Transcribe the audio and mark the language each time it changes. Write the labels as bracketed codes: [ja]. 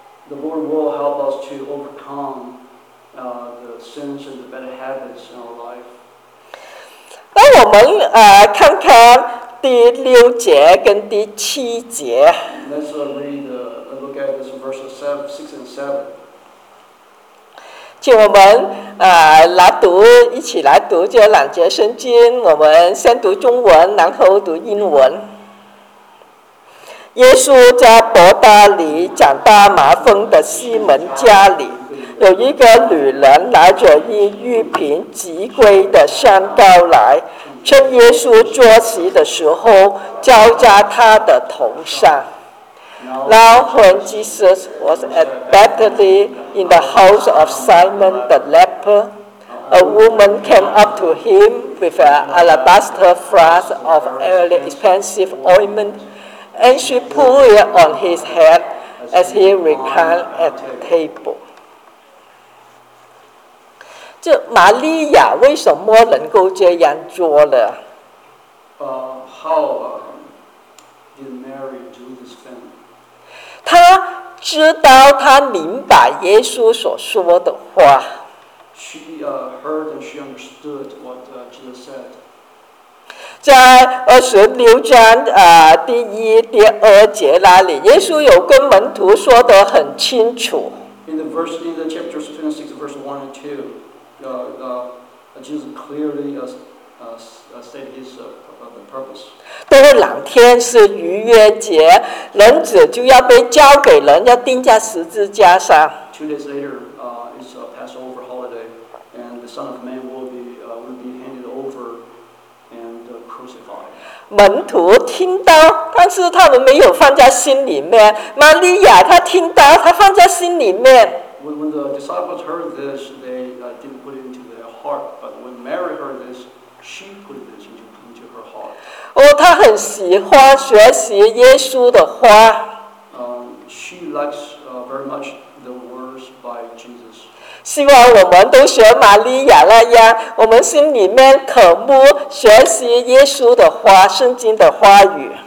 [en] The Lord will help us to overcome the sins and the bad habits in our life. [zh] 让我们看看第六节跟第七节。 [en] Let's look at this verse 6 and 7. [zh] 请我们来读，一起来读这两节圣经。我们先读中文，然后读英文。耶稣在伯大尼长大麻风的西门家里，有一个女人拿着一玉瓶极贵的香膏来，趁耶稣坐席的时候浇在他的头上。 [en] Now when Jesus was at Bethany in the house of Simon the leper, a woman came up to him with an alabaster flask of very expensive ointment, and she poured it on his head as he reclined at the table. [zh] 这玛利亚为什么能够这样做呢？ [en] How did Mary do this thing? [zh] 她知道，她明白耶稣所说的话。 [en] She heard and she understood what Jesus said. [zh] 在26章第一、第二节那里，耶稣有跟门徒说得很清楚。 [en] In the chapter 26, verse 1 and 2,Jesus clearly stated his purpose. [zh] 多两天是逾越节，人子就要被交给人，要钉在十字架上。 [en] Two days later, it's a Passover holiday, and the Son of Man will be handed over and crucified. [zh] 门徒听到，但是他们没有放在心里面。玛利亚她听到，她放在心里面。 [en] When the disciples heard this, they didn't put it into their heart. But when Mary heard this, she put this into her heart. [zh] Oh, 她很喜欢学习耶稣的话。 [en] She likes very much the words by Jesus. [zh] 希望我们都学玛利亚那样，我们心里面渴慕学习耶稣的话，圣经的话语。